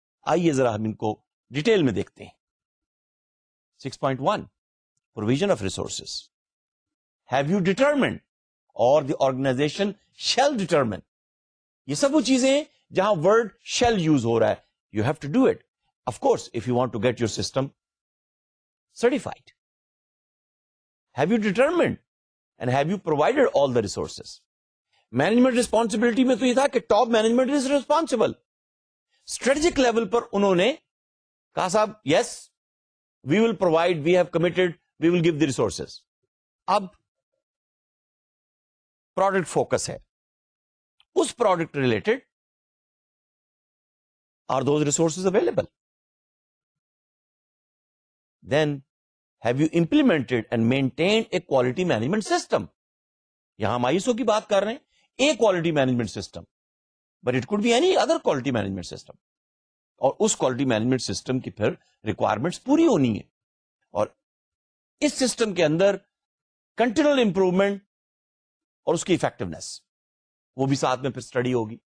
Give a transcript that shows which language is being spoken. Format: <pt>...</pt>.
<ur>آئیے ذرا ہم ان کو ڈیٹیل میں دیکھتے ہیں. 6.1, provision of resources.</ur> <en>Have you determined or the organization shall determine?</en> <ur>یہ سب وہ چیزیں جہاں ورڈ شیل یوز ہو رہا ہے,</ur> <en>you have to do it. Of course, if you want to get your system certified, have you determined and have you provided all the resources? Management responsibility</en> <ur>mein to ye tha ki</ur> <en>top management is responsible. Strategic level</en> <ur>par unhone kaha sahab</ur> <en>yes we will provide, we have committed, we will give the resources. Ab product focus hai, us product related are those resources available? Then have you implemented and maintained a quality management system?</en> <ur>Yahan ISO ki baat kar rahe hain,</ur> <en>a quality management system. But it could be any other quality management system,</en> <ur>اور اس quality management system کی پھر requirements پوری ہونی ہے, اور اس system کے اندر continual improvement اور اس کی افیکٹونیس وہ بھی ساتھ میں پھر اسٹڈی ہوگی.</ur>